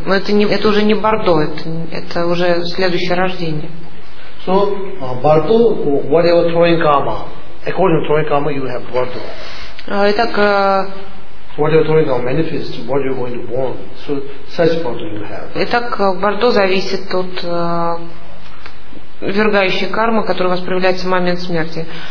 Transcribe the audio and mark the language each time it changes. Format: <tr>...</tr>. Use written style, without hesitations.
<ru>Но это уже не бардо, это уже следующее рождение.</ru> <en>So bardo, whatever throwing karma, according to throwing karma, you have bardo.</en> <ru>Итак.</ru> <en>What you're throwing out manifests what you're going to want. So such bardo you have.</en> <ru>Итак, бардо зависит от ввергающей кармы, которая у вас проявляется в момент смерти.</ru>